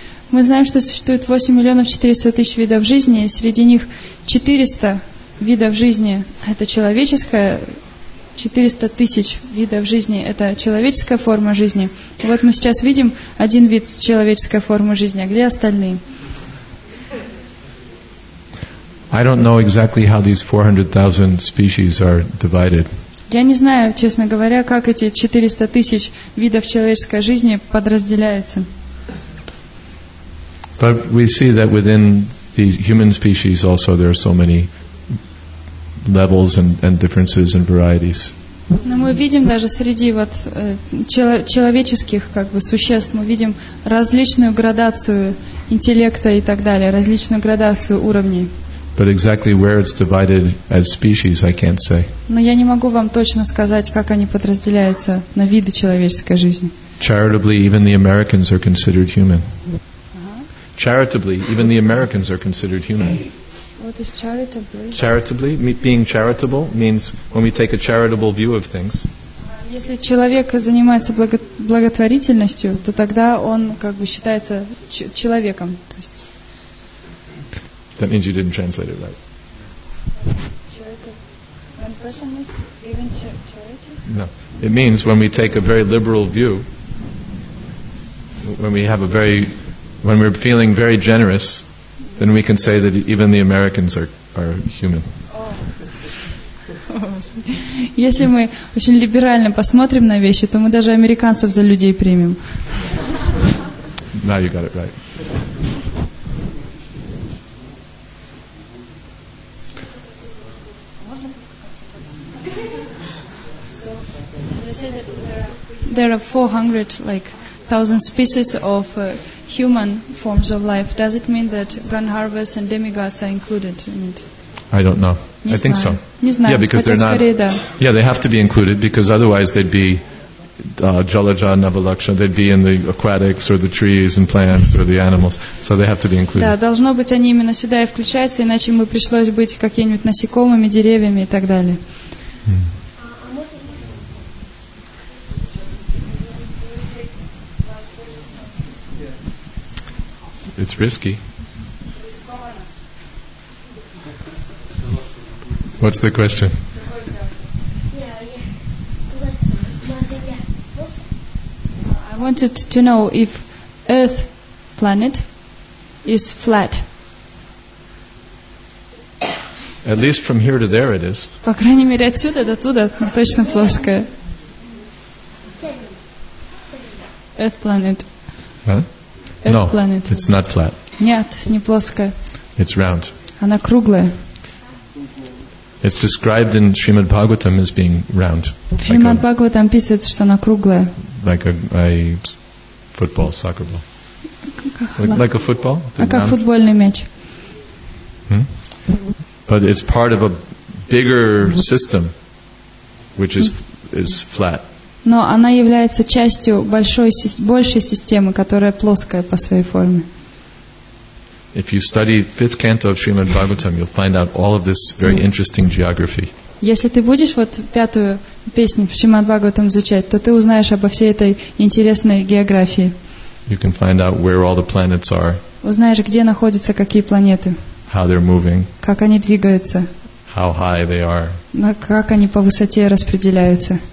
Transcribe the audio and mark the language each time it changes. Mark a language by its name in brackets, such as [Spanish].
[Russian] Мы знаем, что существует 8 400 000 видов жизни, и среди них 400 видов жизни — это человеческая. 400 000 видов жизни — это человеческая форма жизни. И вот мы сейчас видим один вид человеческой формы жизни. А где остальные? [English] I don't know exactly how these 400 000 species are divided. [Russian] Я не знаю, честно говоря, как эти 400 000 видов человеческой жизни подразделяются. [English] But we see that within these human species also there are so many levels and differences and varieties. [Russian] Но мы видим даже среди вот человеческих как бы существ мы видим различную градацию интеллекта и так далее, различную градацию уровней. [English] But exactly where it's divided as species, I can't say. [Russian] Но я не могу вам точно сказать, как они подразделяются на виды человеческой жизни. [English] Charitably, even the Americans are considered human. Charitably, even the Americans are considered human. What is charitably? Charitably, being charitable means when we take a charitable view of things. [Russian] Если человек занимается благотворительностью, то тогда он как бы считается человеком. То есть... [English] That means you didn't translate it right. Charitable. When person is even charity? No. It means when we take a very liberal view, when we're feeling very generous, then we can say that even the Americans are human. [Russian] Если мы очень либерально посмотрим на вещи, то мы даже американцев за людей примем. [English] Now you got it right. So there are 400 thousand species of human forms of life. Does it mean that Gandharvas and demigods are included in it? I don't know. I think so. Yeah, because they're not. Yeah, they have to be included because otherwise they'd be Jalaja Navalaksha. They'd be in the aquatics or the trees and plants or the animals. So they have to be included. [Russian] Да, должно быть они именно сюда и включаются, иначе мы пришлось быть какими-нибудь насекомыми, деревьями и так далее. [English] It's risky. What's the question? I wanted to know if Earth planet is flat. At least from here to there it is. [Russian] По крайней мере, отсюда до туда точно плоская. [English] Earth planet. Huh? No, it's not flat. [Russian] Нет, не плоская. [English] It's round. [Russian] Она круглая. [English] It's described in Srimad Bhagavatam as being round. [Russian] Srimad Bhagavatam писается, что она круглая. [English] Like a football, soccer ball. Like a football? [Russian] А как футбольный мяч? [English] But it's part of a bigger system, which is flat. [Russian] Но она является частью большей системы, которая плоская по своей форме. [English] If you study fifth canto of Srimad Bhagavatam, you'll find out all of this very interesting geography. [Russian] Если ты будешь вот пятую песню в Шримад Бхагаватам изучать, то ты узнаешь обо всей этой интересной географии. [English] You can find out where all the planets are. [Russian] Узнаешь, где находятся какие планеты. [English] How they're moving. [Russian] Как они двигаются. [English] How high they are. [Russian] На как они по высоте распределяются.